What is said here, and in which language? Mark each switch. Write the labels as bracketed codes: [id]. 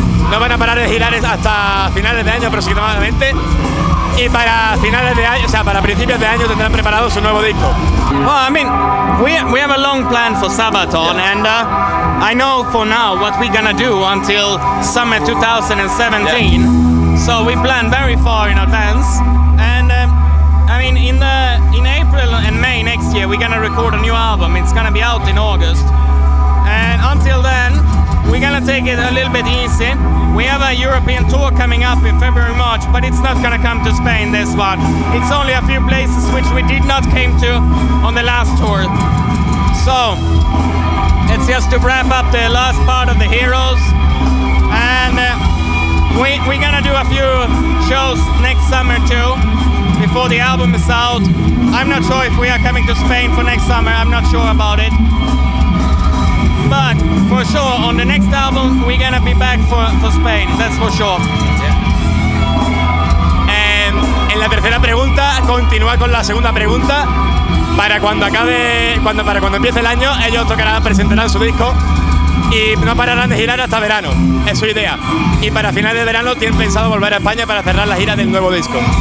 [es] No van a parar de girar hasta finales de año aproximadamente. Y para finales de año, o sea, para principios de año tendrán preparado su nuevo disco. [en] Well, I mean, we have a long plan for Sabaton, and I know for now what we're gonna do until summer 2017. Yeah. So we plan very far in advance. And I mean, in April and May next year, we're gonna record a new album. It's gonna be out in August. And until then, we're gonna take it a little bit easy. We have a European tour coming up in February, March, but it's not gonna come to Spain, this one. It's only a few places which we did not came to on the last tour. So, it's just to wrap up the last part of the Heroes. And we're gonna do a few shows next summer too, before the album is out. I'm not sure if we are coming to Spain for next summer, I'm not sure about it. But for sure, on the next album, we're gonna be back for Spain. That's for sure. Yeah. [es] En la tercera pregunta, continúa con la segunda pregunta. Para cuando empiece el año, ellos presentarán su disco y no pararán de girar hasta verano. Es su idea. Y para finales de verano, tienen pensado volver a España para cerrar la gira del nuevo disco.